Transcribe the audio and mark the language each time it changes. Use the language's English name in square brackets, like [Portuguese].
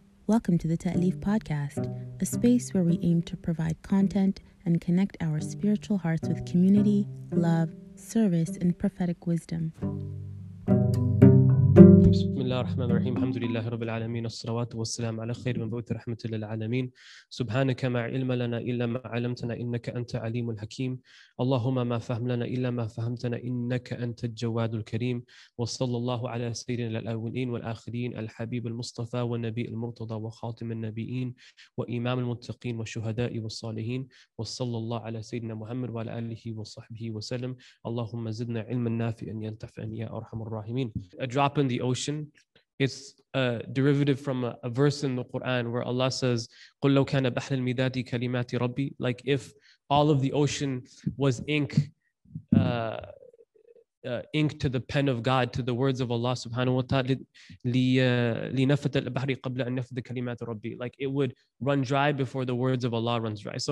[English] Welcome to the Ta'lif Podcast, a space where we aim to provide content and connect our spiritual hearts with community, love, service, and prophetic wisdom. [Arabic] بسم الله الرحمن الرحيم الحمد لله رب العالمين الصلوات والسلام على خير من بعث رحمة للعالمين سبحانك ما علم لنا إلا ما علمتنا إنك أنت عليم الحكيم اللهم ما فهم لنا إلا ما فهمتنا إنك أنت الجواد الكريم وصلى الله على سيدنا الأولين والآخرين الحبيب المصطفى والنبي المرتضى وخاتم النبيين وإمام المتقين والشهداء والصالحين وصلى الله على سيدنا محمد وعلى آله وصحبه وسلم اللهم زدنا علما نافعا ينتفعني يا أرحم الراحمين. [English] The ocean. It's a derivative from a verse in the Quran where Allah says, [Arabic] "Qul law kana bahr al-midadi kalimati Rabbi," [English] like if all of the ocean was ink to the pen of God, to the words of Allah subhanahu wa ta'ala, [Arabic] li nafat al-bahri qabla an nafat kalimati Rabbi, [English] like it would run dry before the words of Allah runs dry.